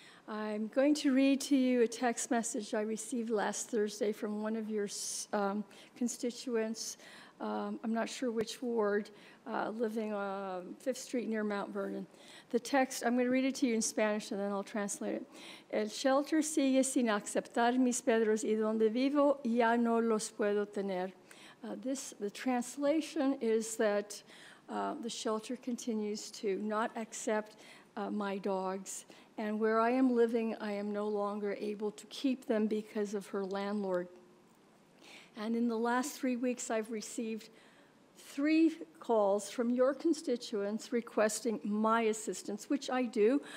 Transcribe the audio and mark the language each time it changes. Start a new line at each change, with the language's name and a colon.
English: I'm going to read to you a text message I received last Thursday from one of your constituents I'm not sure which ward, living on 5th Street near Mount Vernon. The text, I'm going to read it to you in Spanish and then I'll translate it.
Spanish: El shelter sigue sin aceptar mis pedros y donde vivo ya no los puedo tener.
English: The translation is that the shelter continues to not accept my dogs, and where I am living, I am no longer able to keep them because of her landlord. And in the last 3 weeks, I've received 3 calls from your constituents requesting my assistance, which I do.